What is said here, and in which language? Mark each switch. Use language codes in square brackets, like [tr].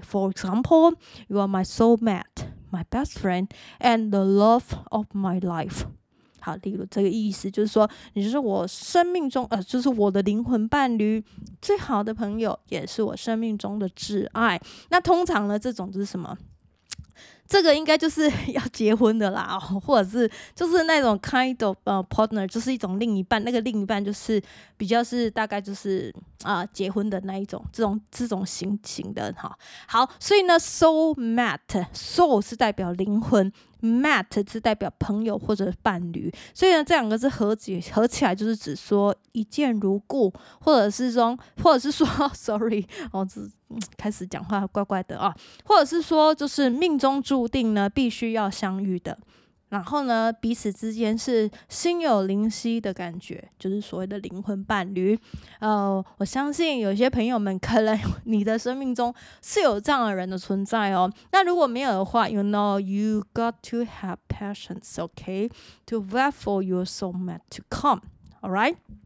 [en] For example, you are my soulmate, my best friend, and the love of my life. [zh] 好，例如这个意思就是说你是我生命中就是我的灵魂伴侣，最好的朋友，也是我生命中的挚爱。那通常呢这种就是什么，这个应该就是要结婚的啦，或者是就是那种 [en] kind of partner， [zh] 就是一种另一半，那个另一半就是比较是大概就是结婚的那一种，这种心情的哈。好，所以呢 soulmate， soul 是代表灵魂， mate 是代表朋友或者伴侣，所以呢这两个字合起来就是指说一见如故，或者是说 sorry 我开始讲话怪怪的啊，或者是说就是命中注定呢必须要相遇的，然后呢彼此之间是心有灵犀的感觉，就是所谓的灵魂伴侣。我相信有些朋友们可能你的生命中是有这样的人的存在哦。那如果没有的话， [en] you know you got to have patience, okay, to wait for your soulmate to come, alright?